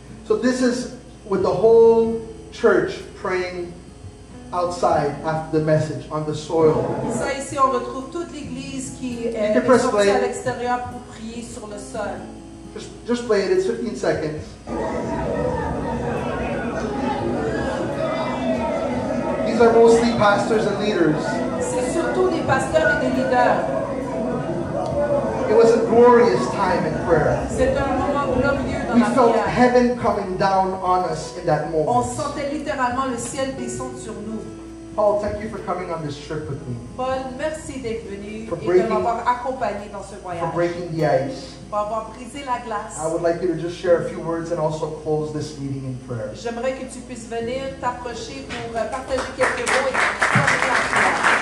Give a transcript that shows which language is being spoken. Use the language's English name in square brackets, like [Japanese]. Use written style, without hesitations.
[English] So this is with the whole church praying outside after the message on the soil. [French] Ça ici, on retrouve toute l'église qui est sortie à l'extérieur pour prier sur le sol. [English] Just play it. It's 15 seconds. These are mostly pastors and leaders. [French] C'est surtout des pasteurs et des leaders. [English] It was a glorious time in prayer. [French] C'est un moment glorieux. [English] We felt heaven coming down on us in that moment. [French] On sentait littéralement le ciel descendre sur nous. [English] Paul, thank you for coming on this trip with me. [French] Paul, merci d'être venu [English] for breaking, [French] et de m'avoir accompagné dans ce voyage. [English] For breaking the ice. [French] Pour avoir brisé la glace. [English] I would like you to just share a few words and also close this meeting in prayer. [French] J'aimerais que tu puisses venir t'approcher pour partager quelques mots et